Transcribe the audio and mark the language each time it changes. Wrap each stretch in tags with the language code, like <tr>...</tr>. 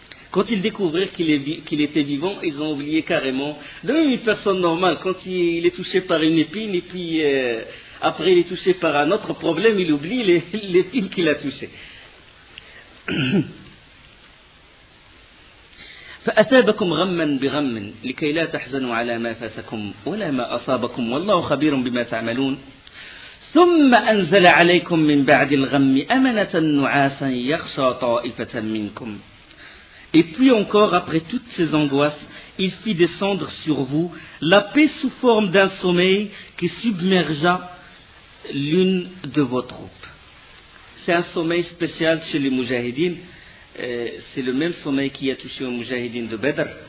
<fr>Quand ils découvrirent qu'il était vivant, ils ont oublié carrément. De même, une personne normale, quand il est touché par une épine, et puis après il est touché par un autre problème, il oublie l'épine qu'il a touchée.</fr> <ar>فأثابكم غما بغم لكي لا تحزنوا على ما فاتكم ولا ما أصابكم والله خبير بما تعملون ثم أنزل عليكم من بعد الغم أمنة نعاسا يخشى طائفة منكم.</ar> <fr>Et puis encore, après toutes ces angoisses, il fit descendre sur vous la paix sous forme d'un sommeil qui submergea l'une de vos troupes. C'est un sommeil spécial chez les Mujahidines. C'est le même sommeil qui a touché aux Mujahidines de Badr.</fr>